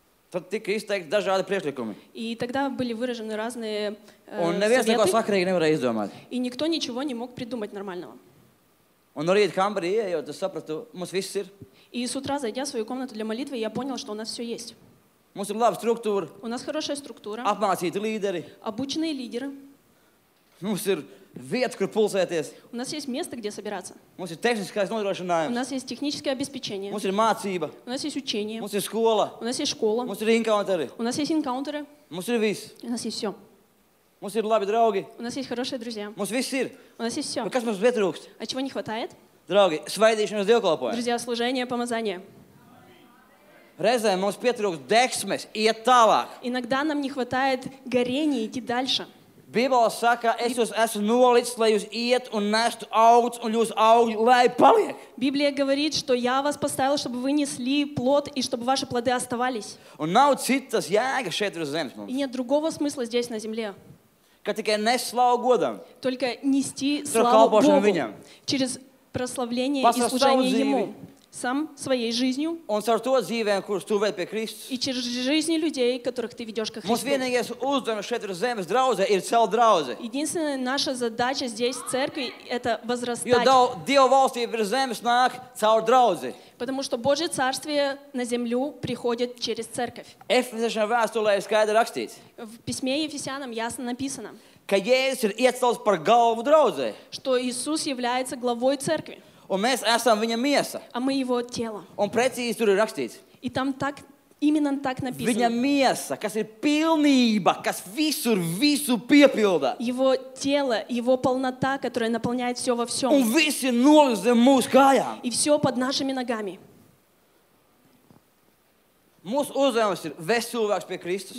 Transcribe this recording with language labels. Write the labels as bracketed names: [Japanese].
[Latvian] Tad tika izteikti dažādi priekšlikumi. [Russian] И тогда были выражены разные [Latvian] Un neviens neko sakarīgi nevarēja izdomāt. [Russian] И никто ничего не мог придумать нормального. [Latvian] Un rīt kambarī ieejot, es sapratu, mums viss ir. [Russian] И с утра зайдя в свою комнату для молитвы, я понял, что у нас всё есть. [Latvian] Mums ir laba struktūra. [Russian] У нас хорошая структура. [Latvian] Apmācīti līderi. [Russian] Обученные лидеры. [Latvian] Mums ir Vieta, kur pulsēties. [Russian] У нас есть место, где собираться. [Latvian] Mums ir tehniskais nodrošinājums. [Russian] У нас есть техническое обеспечение. [Latvian] Mums ir mācība. [Russian] У нас есть учение. [Latvian] Mums ir skola. [Russian] У нас есть школа. [Latvian] Mums ir encounteri. [Russian] У нас есть encounteri. [Latvian] Mums ir viss. [Russian] У нас есть всё. [Latvian] Mums ir labi draugi. [Russian] У нас есть хорошие друзья. [Latvian] Mums viss ir. [Russian] У нас есть всё. [Latvian] Bet kas mums pietrūkst? [Russian] А чего не хватает? [Latvian] Draugi, svaidīšanas dievkalpojumu. [Russian] Друзья, служение, помазание. [Latvian] Reizē mums pietrūkst degsmes, iet tālāk. [Russian] Иногда нам не хватает горения идти дальше. [Latvian] Bībala saka, es jūs esmu nolicis, lai jūs iet un nestu augļus, un jūs augļi, lai paliek. [Russian] Biblija говорит, что я вас поставил, чтобы вы несли плод, и чтобы ваши плоды оставались. [Latvian] Un nav citas jēga šeit uz zemes mums. [Russian] И нет другого смысла здесь на земле. [Latvian] Kad tikai nest slavu godam. [Russian] Только нести славу Богу. Через прославление и служение Ему. Сам своей жизнью. [Latvian] Un ar to dzīvēm, kurus tu ved pie Kristus. [Russian] И через жизни людей, которых ты ведешь ко Христу. [Latvian] Mums vienīgais uzdevums šeit ir zemes draudze, ir celt draudze. [Russian] Единственная наша задача здесь, в церкви, это возрастать. [Latvian] Jo Dieva valstība ir zemes nāk caur draudzi. [Russian] Потому что Божье царствие на землю приходит через церковь. [Latvian] Efesiešiem vēstulē ir skaidri rakstīts. [Russian] В письме Ефесянам ясно написано. [Latvian] Ka Jēzus ir iecelts par galvu draudzei. [Russian] Что Иисус является главой церкви. [Latvian] Un mēs esam viņa miesa. [Russian] А мы его тело. [Latvian] Un precīzi tur ir rakstīts. [Russian] И там так, именно так написано. [Latvian] Viņa miesa, kas ir pilnība, kas visur visu piepilda. [Russian] Его тело, его полнота, которая наполняет все во всем. [Latvian] Un visi nolik zem mūsu kājām. [Russian] И все под нашими ногами. [Latvian] Mūsu uzdevums ir vest cilvēks pie Kristus.